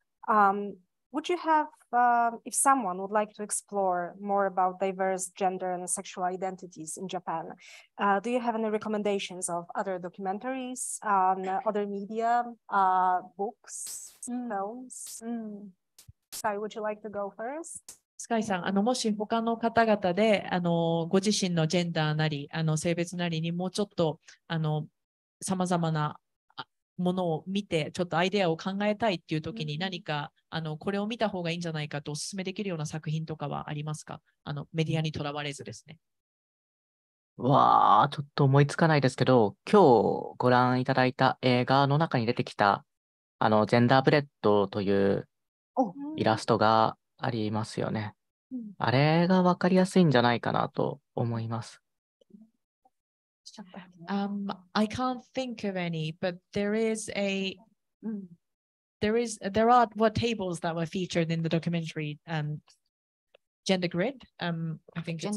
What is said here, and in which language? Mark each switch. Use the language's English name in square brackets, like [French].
[English] Would you have, if someone would like to explore more about diverse gender and sexual identities in Japan, do you have any recommendations of other documentaries, other media, books, films? Sky, would you like to go first? [Japanese] スカイさん、あのもし他の方々であのご自身のジェンダーなりあの性別なりにもうちょっとあの様々なものを見てちょっとアイデアを考えたいっていう時に何か、あのこれを見た方がいいんじゃないかとおすすめできるような作品とかはありますか？あのメディアにとらわれずですね。わあ、ちょっと思いつかないですけど、今日ご覧いただいた映画の中に出てきたあのジェンダーブレッドというイラストがありますよね。あれが分かりやすいんじゃないかなと思います。 [English] I can't think of any, but there are tables that were featured in the documentary, Gender Grid, I think it's